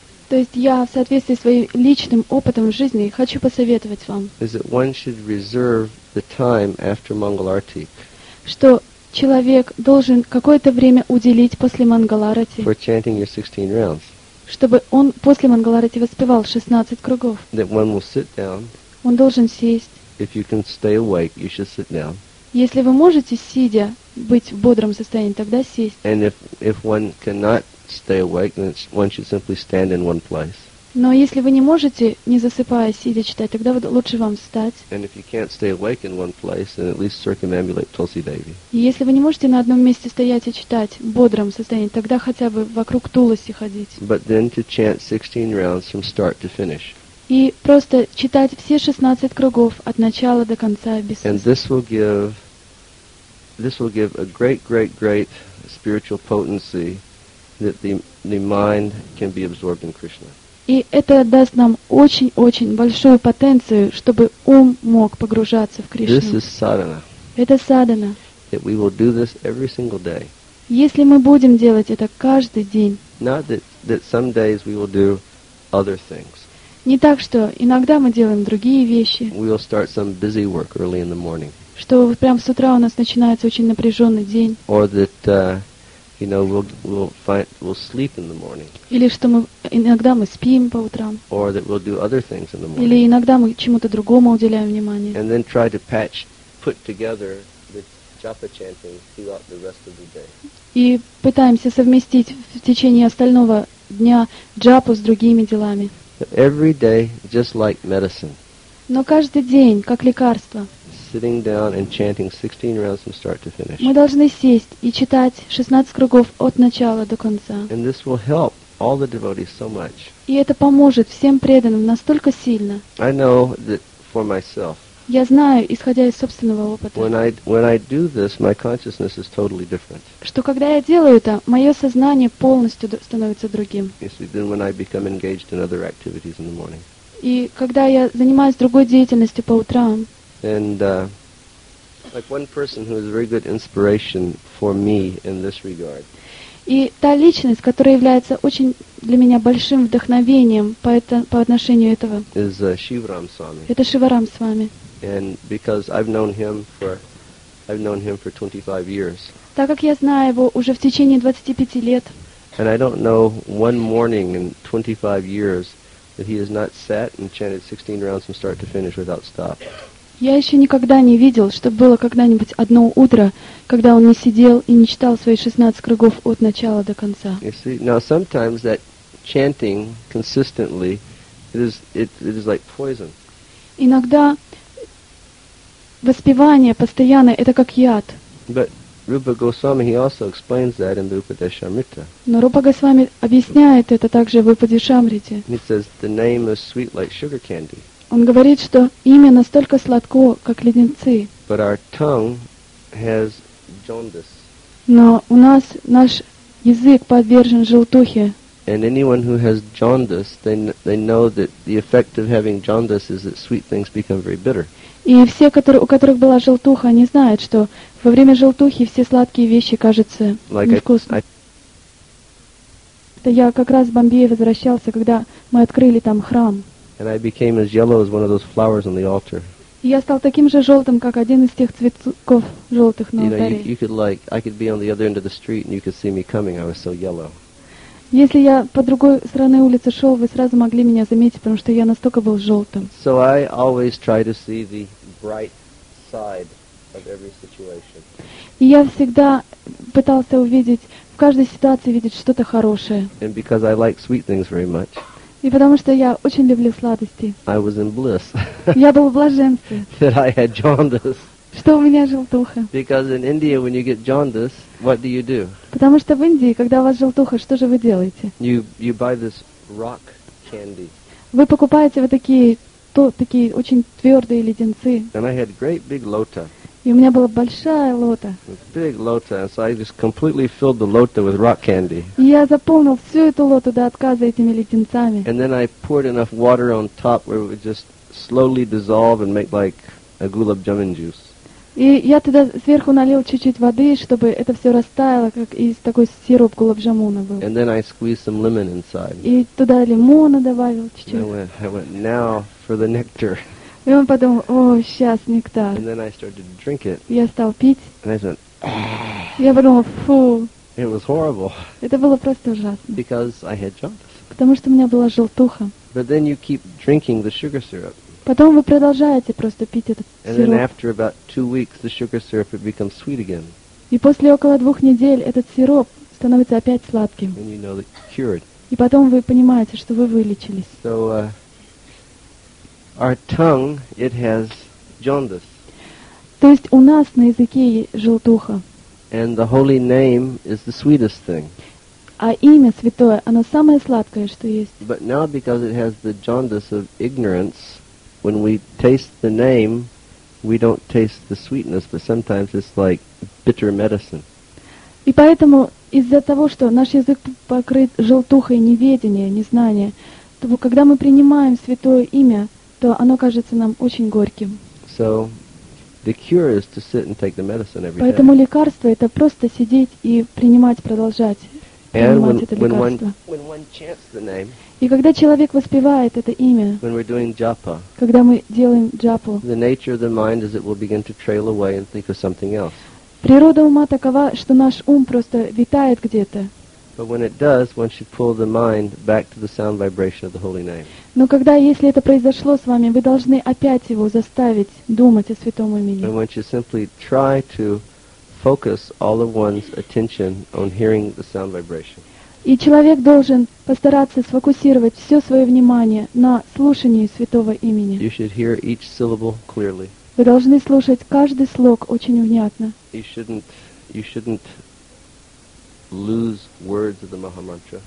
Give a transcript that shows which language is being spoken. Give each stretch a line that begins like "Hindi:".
Russian: То есть я в соответствии с своим личным опытом в жизни хочу посоветовать вам.
English: Is that one should reserve the time after Mangal Arati.
Russian: Что человек должен какое-то время уделить после Mangal Arati.
English: For chanting your 16 rounds.
Russian: Чтобы он после Мангаларати воспевал 16 кругов. Он должен сесть. Если вы можете, сидя, быть в бодром состоянии, тогда сесть.
English: And if one cannot stay awake, then why don't you simply stand in one place?
Russian: Но если вы не можете, не засыпая, сидя читать, тогда лучше вам встать.
English: And if you can't stay awake in one place, then at least circumambulate Tulsi Devi.
Russian: И если вы не можете на одном месте стоять и читать в бодром состоянии, тогда хотя бы вокруг Туласи ходить.
English: But then to chant 16 rounds from start to finish.
Russian: И просто читать все 16 кругов от начала до конца без
English: And this will give a great, great, great spiritual potency that the mind can be absorbed in Krishna.
Russian: И это даст нам очень-очень большую потенцию, чтобы ум мог погружаться в Кришну.
English: This is sadhana.
Russian: Это садхана.
English: That we will do this every single day.
Russian: Если мы будем делать это каждый день.
English: Not that some days we will do other things.
Russian: Не так, что иногда мы делаем другие вещи.
English: We will start some busy work early in the morning.
Russian: Что прямо с утра у нас начинается очень напряженный день.
English: Or that, you know, we'll sleep in the morning.
Russian: Или что мы иногда мы спим по утрам.
English: Or that we'll do other things in the morning.
Russian: Или иногда мы чему-то другому уделяем внимание.
English: And then try to put together the japa chanting throughout the rest of the day.
Russian: И пытаемся совместить в течение остального дня джапу с другими делами.
English: Every day, just like medicine.
Russian: Но каждый день как лекарство.
English: Sitting down and chanting 16 rounds from start to finish.
Russian: Мы должны сесть и читать 16 кругов от начала до конца.
English: And this will help all the devotees so much.
Russian: И это поможет всем преданным настолько сильно.
English: I know that for myself.
Russian: Я знаю, исходя из собственного опыта.
English: When I do this, my consciousness is totally different.
Russian: Что когда я делаю это, мое сознание полностью становится другим.
English: Yes, then when I become engaged in other activities in the morning.
Russian: И когда я занимаюсь другой деятельностью по утрам.
English: And like one person who is a very good inspiration for me in this regard.
Russian: И та личность, которая является очень для меня большим вдохновением по отношению этого.
English: Is Shivaram Swami.
Russian: Это Шиварам Свами.
English: And because I've known him for 25 years.
Russian: Так как я знаю его уже в течение 25 лет.
English: And I don't know one morning in 25 years that he has not sat and chanted 16 rounds from start to finish without stop.
Russian: Я еще никогда не видел, чтобы было когда-нибудь одно утро, когда он не сидел и не читал свои 16 кругов от начала до конца.
English: You see, now sometimes that chanting consistently, it is like poison.
Russian: Иногда воспевание постоянно, это как яд.
English: But Rupa Goswami, he also explains that in the Upadeshamrita.
Russian: Но Рупа Госвами объясняет это также в Упадешамрите.
English: He says, the name is sweet like sugar candy.
Russian: Он говорит, что имя настолько сладко, как леденцы.
English: But our tongue has jaundice.
Russian: Но у нас наш язык подвержен желтухе.
English: And anyone who has jaundice, they know that the effect of having jaundice is that sweet things become very bitter.
Russian: И все, у которых была желтуха, они знают, что во время желтухи все сладкие вещи кажутся невкусными. Это я как раз в Бомбее возвращался, когда мы открыли там храм.
English: And I became as yellow as one of those flowers on the altar.
Russian: Я стал таким же желтым, как один из тех цветков желтых на алтаре.
English: You know, I could be on the other end of the street, and you could see me coming. I was so yellow.
Russian: Если я по другой стороне улицы шел, вы сразу могли меня заметить, потому что я настолько был желтым.
English: So I always try to see the bright side of every situation.
Russian: И я всегда пытался увидеть в каждой ситуации видеть что-то хорошее.
English: And because I like sweet things very much.
Russian: И потому что я очень люблю сладости.
English: I was in bliss.
Russian: Я был в блаженстве.
English: That I had jaundice.
Russian: Что у меня желтуха.
English: Because in India, when you get jaundice, what do you do?
Russian: Потому что в Индии, когда у вас желтуха, что же вы делаете?
English: You buy this rock candy.
Russian: Вы покупаете вот такие очень твердые леденцы.
English: And I had great big lota.
Russian: И у меня была большая лота.
English: Big lota, and so I just completely filled the lota with rock candy.
Russian: И я заполнил всю эту лоту до отказа этими леденцами.
English: And then I poured enough water on top where it would just slowly dissolve and make like a gulab jamun juice.
Russian: И я туда сверху налил чуть-чуть воды, чтобы это все растаяло, как из такой сироп гулаб джамуна был.
English: And then I squeezed some lemon inside.
Russian: И туда лимона добавил чуть-чуть.
English: I went now for the nectar.
Russian: И он подумал, о, сейчас нектар.
English: And then I started to drink it.
Russian: Я стал пить.
English: And I said,
Russian: я подумал, фу.
English: It was horrible.
Russian: Это было просто ужасно.
English: Because I had jaundice.
Russian: Потому что у меня была желтуха.
English: But then you keep drinking the sugar syrup.
Russian: Потом вы продолжаете просто пить этот
English: And
Russian: сироп.
English: And then after about 2 weeks, the sugar syrup becomes sweet again.
Russian: И после около 2 недель этот сироп становится опять сладким.
English: And you know that you're cured.
Russian: И потом вы понимаете, что вы вылечились.
English: So, our tongue, it has jaundice.
Russian: То есть у нас на языке желтуха.
English: And the holy name is the sweetest thing.
Russian: А имя святое, оно самое сладкое, что есть.
English: But now because it has the jaundice of ignorance, when we taste the name, we don't taste the sweetness, but sometimes it's like bitter medicine.
Russian: И поэтому из-за того, что наш язык покрыт желтухой, неведение, незнание, то когда мы принимаем святое имя, то оно кажется нам очень горьким.
English: So, the cure is to sit and take the medicine every day.
Russian: Поэтому лекарство это просто сидеть и принимать, продолжать
English: and
Russian: принимать
English: when,
Russian: это лекарство.
English: When one chants the name,
Russian: и когда человек воспевает это имя,
English: when we're doing japa,
Russian: когда мы делаем джапу,
English: the nature of the mind is it will begin to trail away and think of something else.
Russian: Природа ума такова, что наш ум просто витает где-то.
English: But when it does, one should pull the mind back to the sound vibration of the holy name.
Russian: Но когда, если это произошло с вами, вы должны опять его заставить думать о святом имени.
English: And one should simply try to focus all of one's attention on hearing the sound vibration.
Russian: И человек должен постараться сфокусировать все свое внимание на слушании святого имени.
English: You should hear each syllable clearly.
Russian: Вы должны слушать каждый слог очень внятно.
English: You shouldn't lose words of the Mahamantra.